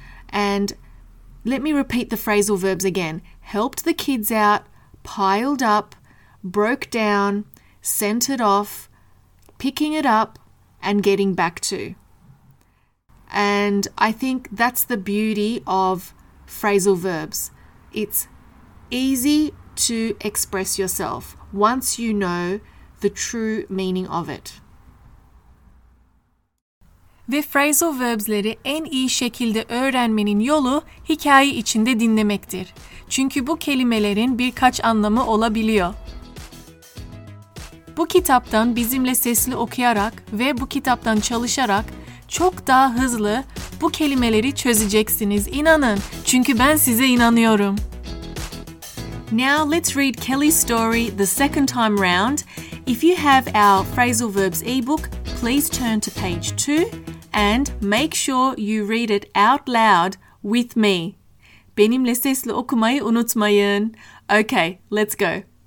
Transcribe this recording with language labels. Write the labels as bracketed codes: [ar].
[en] And let me repeat the phrasal verbs again. Helped the kids out, piled up, broke down, sent it off, picking it up, and getting back to. And I think that's the beauty of phrasal verbs. It's easy to express yourself once you know the true meaning of it. [tr] Ve phrasal verbsleri en iyi şekilde öğrenmenin yolu hikaye içinde dinlemektir. Çünkü bu kelimelerin birkaç anlamı olabiliyor. Bu kitaptan bizimle sesli okuyarak ve bu kitaptan çalışarak çok daha hızlı bu kelimeleri çözeceksiniz. İnanın, çünkü ben size inanıyorum. [en] Now let's read Kelly's story the second time round. If you have our phrasal verbs ebook, please turn to page 2 and make sure you read it out loud with me. [tr] Benimle sesli okumayı unutmayın. [en] Okay, let's go.